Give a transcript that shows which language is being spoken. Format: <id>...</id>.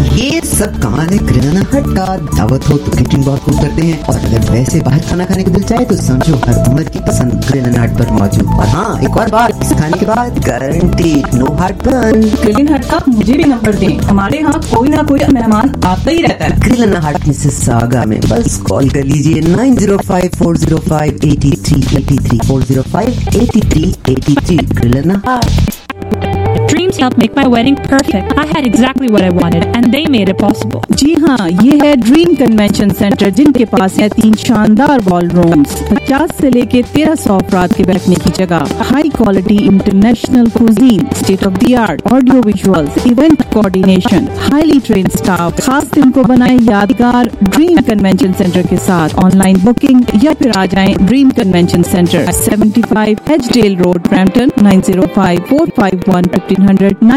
<ur>یہ سب کہاں ہے؟ کرانہ ہٹ کا دعوت ہو تو کچن بار کو کرتے ہیں، اور اگر ویسے باہر کھانا کھانے کا دل چاہے تو سمجھو ہر عمر کی پسند کرانہ ہٹ پر موجود۔ اور ہاں ایک اور بات، اس کھانے کے بعد گارنٹی نو ہارٹ برن۔ کرانہ ہٹ کا مجھے بھی نمبر دیں، ہمارے ہاں کوئی نہ کوئی مہمان آتا ہی رہتا ہے۔ کرانہ ہٹ مسز ساگا میں، بس کال کر لیجیے 9054058383 4058383۔</ur> <en>Dreams helped make my wedding perfect. I had exactly what I wanted and they made it possible.</en> <ur>جی ہاں، یہ ہے ڈریم کنوینشن سینٹر جن کے پاس ہے 3 شاندار وال رومز، 50 سے لے کے 1300 افراد کے بیٹھنے کی جگہ، high quality international cuisine, state of the art audio visuals, event coordination, highly trend staff, خاص دن کو بنائے یادگار ڈریم کنوینشن سینٹر کے ساتھ۔ آن لائن بکنگ یا پھر آ جائیں dream convention centre 75 H deal road, Brampton 9054515100۔</ur>